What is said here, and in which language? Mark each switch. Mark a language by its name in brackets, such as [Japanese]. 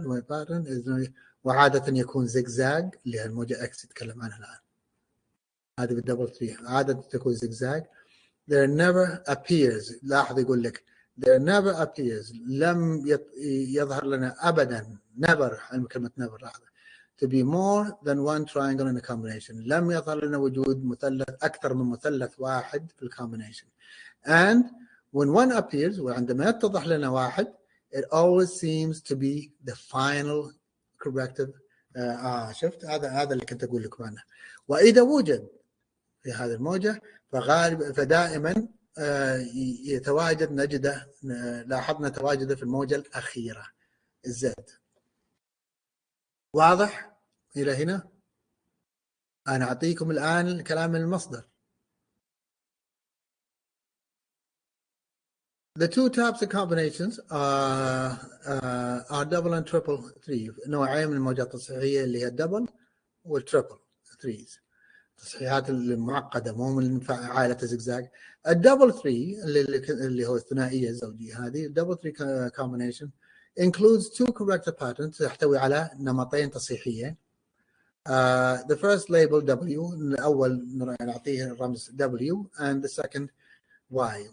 [English] wave pattern is [Arabic] وعادة يكون زيجزاج، اللي هي الموجة X يتكلم عنها الآن. هذه بالدبل تري عادة تكون زيجزاج. [English] there never appears. [Arabic] لاحظ يقول لك [English] there never appears. [Arabic] لم يظهر لنا أبدا. never عن كلمة never لاحظ. [English] to be more than one triangle in a combination. [Arabic] لم يظهر لنا وجود مثلث أكثر من مثلث واحد في الكومبينيشن. [English] and when one appears [Arabic] وعندما يتضح لنا واحد [English] it always seems to be the final corrective. [Arabic] شفت هذا اللي كنت أقول لكم عنه. وإذا وجد في هذه الموجة فغالب فدائما يتواجد نجده لاحظنا تواجده في الموجة الأخيرة الزد. واضح إلى هنا؟ أنا أعطيكم الآن الكلام من المصدر. [English] The two types of combinations are double and triple three. [Arabic] نوعين من الموجات التصحيحية اللي هي double والtriple threes. التصحيحات المعقدة مو من عائلة زجزاج. A double three اللي هو الثنائية الزوجية هذه. [English] Double three combination includes two corrective patterns. [Arabic] تحتوي على نمطين تصحيحيين. [English] The first label W. [Arabic] الأول نعطيه رمز W [English] and the second Y.